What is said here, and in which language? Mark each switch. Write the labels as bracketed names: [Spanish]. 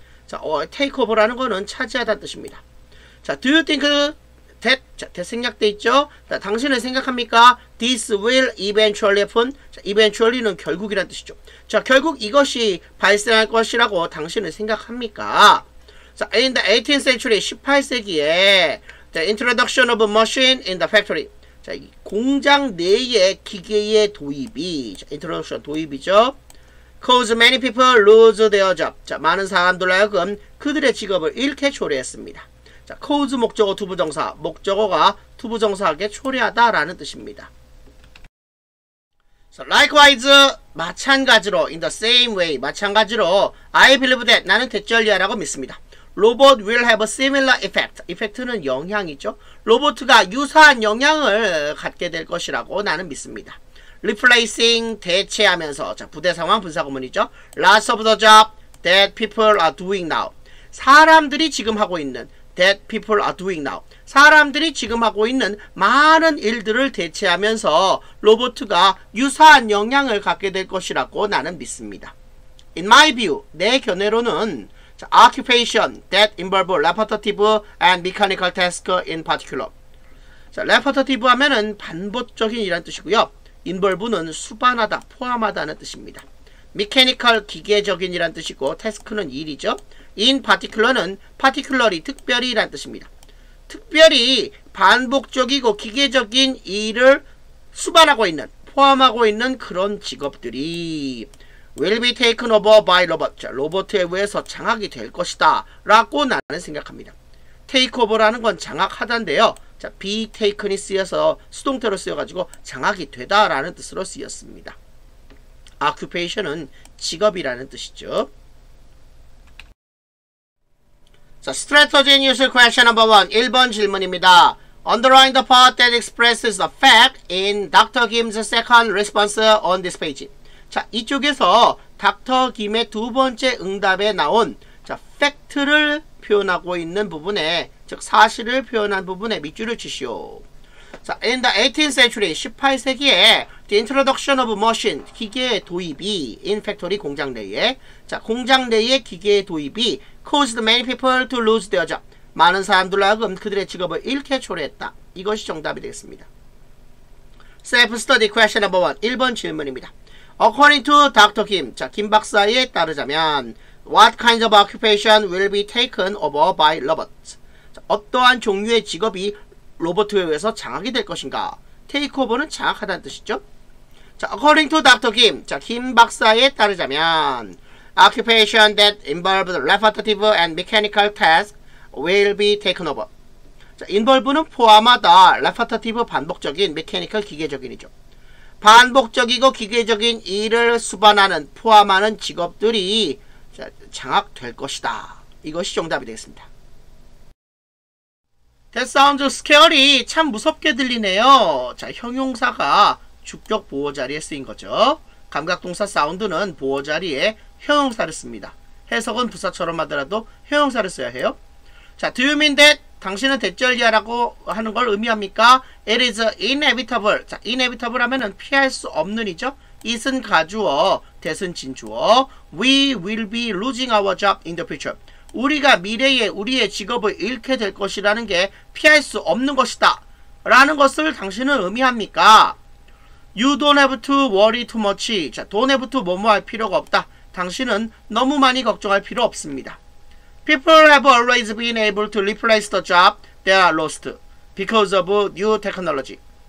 [Korean] 자, take over라는 거는 차지하다는 뜻입니다. 자, [English] do you think that? [Korean] 자, that 생략돼 있죠? 자, 당신은 생각합니까? [English] This will eventually happen. [Korean] 자, eventually는 결국이란 뜻이죠. 자, 결국 이것이 발생할 것이라고 당신은 생각합니까? [English] 자, in the 18th century, [Korean] 18세기에 [English] the introduction of a machine in the factory. [Korean] 자, 이 공장 내에 기계의 도입이, 자, introduction 도입이죠. [English] cause many people lose their job. [Korean] 자, 많은 사람들로 하여금 그들의 직업을 잃게 초래했습니다. 자, cause 목적어 to 부정사, 목적어가 to 부정사하게 초래하다 라는 뜻입니다. [English] So, likewise, [Korean] 마찬가지로, [English] in the same way, 마찬가지로, I believe that [Korean] 나는 됐절이야 라고 믿습니다. [English] Robot will have a similar effect. Effect는 영향이죠. [Korean] 로봇가 유사한 영향을 갖게 될 것이라고 나는 믿습니다. Replacing, 대체하면서. 자, 부대 상황 분사구문이죠. [English] Lots of the job that people are doing now. [Korean] 사람들이 지금 하고 있는 [English] that people are doing now. [Korean] 사람들이 지금 하고 있는 많은 일들을 대체하면서 로봇가 유사한 영향을 갖게 될 것이라고 나는 믿습니다. [English] In my view, [Korean] 내 견해로는 자, [English] occupation that involve repetitive and mechanical task in particular. [Korean] 자, repetitive 하면은 반복적인 이란 뜻이고요. involve는 수반하다, 포함하다는 뜻입니다. mechanical 기계적인 이란 뜻이고 task는 일이죠. in particular는 particularly 특별히 이란 뜻입니다. 특별히 반복적이고 기계적인 일을 수반하고 있는, 포함하고 있는 그런 직업들이 [English] will be taken over by robot. [Korean] 자, 로봇에 의해서 장악이 될 것이다 라고 나는 생각합니다. take over라는 건 장악하다인데요. 자, be taken이 쓰여서 수동태로 쓰여가지고 장악이 되다 라는 뜻으로 쓰였습니다. occupation은 직업이라는 뜻이죠. [English] 자, strategy and use question number 1. [Korean] 1번 질문입니다. [English] Underline the part that expresses the fact in Dr. Kim's second response on this page. [Korean] 자, 이쪽에서 닥터 김의 두 번째 응답에 나온 자, fact를 표현하고 있는 부분에, 즉 사실을 표현한 부분에 밑줄을 치시오. [English] 자, in the 18th century, [Korean] 18세기에 [English] the introduction of machine, [Korean] 기계의 도입이 [English] in factory 공장 내에, [Korean] 자, 공장 내에 기계의 도입이 [English] caused many people to lose their job. [Korean] 많은 사람들로 하여금 그들의 직업을 잃게 초래했다. 이것이 정답이 되겠습니다. [English] Self-study question number 1. [Korean] 1번 질문입니다. [English] According to Dr. Kim, [Korean] 자, 김 박사에 따르자면 [English] What kind of occupation will be taken over by robots? [Korean] 자, 어떠한 종류의 직업이 로봇에 의해서 장악이 될 것인가? Take over는 장악하다는 뜻이죠. 자, [English] according to Dr. Kim, [Korean] 자, 김 박사에 따르자면 [English] Occupation that involves repetitive and mechanical tasks will be taken over. [Korean] 자, involve는 포함하다, repetitive 반복적인, mechanical 기계적인이죠. 반복적이고 기계적인 일을 수반하는, 포함하는 직업들이 자, 장악될 것이다. 이것이 정답이 되겠습니다. [English] That sounds scary. [Korean] 참 무섭게 들리네요. 자, 형용사가 주격 보호자리에 쓰인 거죠. 감각동사 사운드는 보호자리에 형용사를 씁니다. 해석은 부사처럼 하더라도 형용사를 써야 해요. [English] 자, do you mean that? [Korean] 당신은 대절이야라고 하는 걸 의미합니까? [English] It is inevitable. 자, inevitable 하면은 [Korean] 피할 수 없는이죠. It은 가주어, that은 진주어. [English] We will be losing our job in the future. [Korean] 우리가 미래에 우리의 직업을 잃게 될 것이라는 게 피할 수 없는 것이다 라는 것을 당신은 의미합니까? [English] You don't have to worry too much. 자, don't have to [Korean] 뭐뭐할 필요가 없다. 당신은 너무 많이 걱정할 필요 없습니다. [English] People have always been able to replace the job they are lost because of new technology.